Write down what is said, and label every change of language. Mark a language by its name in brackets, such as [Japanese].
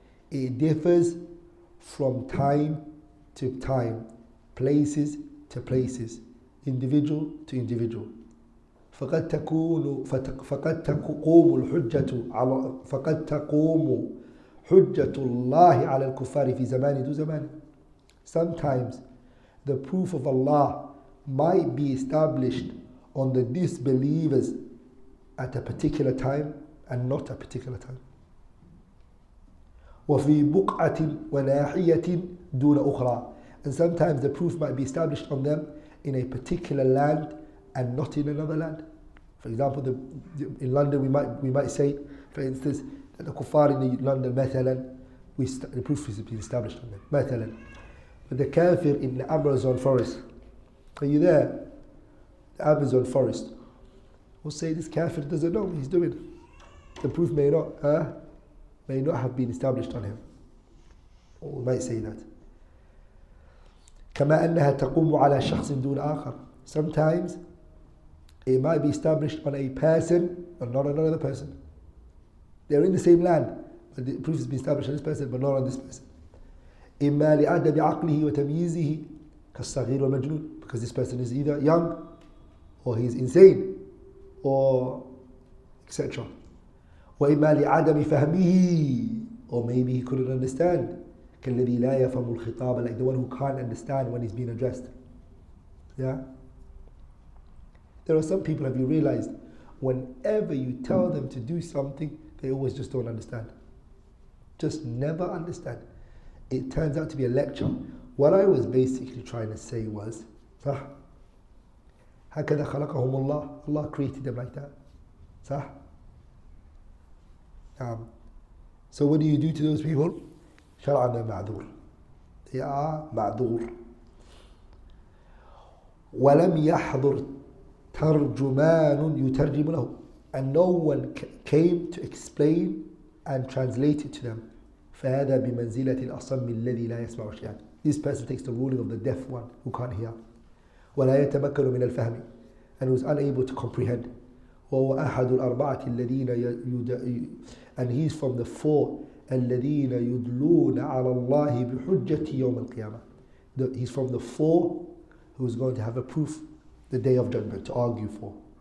[English] It differs from time to time, places to places, individual to individual. [Arabic] فقد تقوم حجة الله على الكفار في زمان دو زمان. [English] Sometimes the proof of Allah might be established on the disbelievers at a particular time and not a particular time. [Arabic] وفي بقعة وناحية دون أخرى. [English] And sometimes the proof might be established on them in a particular land and not in another land. For example, in London we might say, for instance, that the kuffar in London, مثلاً, the proof is being established on them. [Arabic] مثلاً. [English] But the kafir in the Amazon forest, are you there? The Amazon forest. We'll say this kafir doesn't know what he's doing. The proof may not have been established on him. Or we might say that. [Arabic] كما أنها تقوم على شخص دون آخر. [English] Sometimes it might be established on a person but not on another person. They're in the same land, but the proof has been established on this person but not on this person. [Arabic] إما لعدم عقله وتمييزه كالصغير والمجنون. [English] Because this person is either young or he's insane or etc. [Arabic] وإما لعدم فهمه, [English] or maybe he couldn't understand. [Arabic] كالذي لا يفهم الخطاب, [English] like the one who can't understand when he's being addressed. Yeah? There are some people, have you realized, whenever you tell them to do something, they always just don't understand. Just never understand. It turns out to be a lecture. What I was basically trying to say was, صح? [Arabic] هكذا خلقهم الله. [English] Allah created them like that. صح? So what do to those people? [Arabic] شرعنا معذور. [English] They are معذور. [Arabic] ولم يحضر ترجمان يترجم له. [English] And no one came to explain and translate it to them. [Arabic] فهذا بمنزلة الأصم الذي لا يسمع شيئا. [English] This person takes the ruling of the deaf one who can't hear. [Arabic] ولا يتمكن من الفهم. [English] And was unable to comprehend. [Arabic] وهو أحد الأربعة الذين [English] and he's from the four [Arabic] الذين يدلون على الله بحجة يوم القيامة. [English] He's from the four who's going to have a proof the day of judgment to argue for.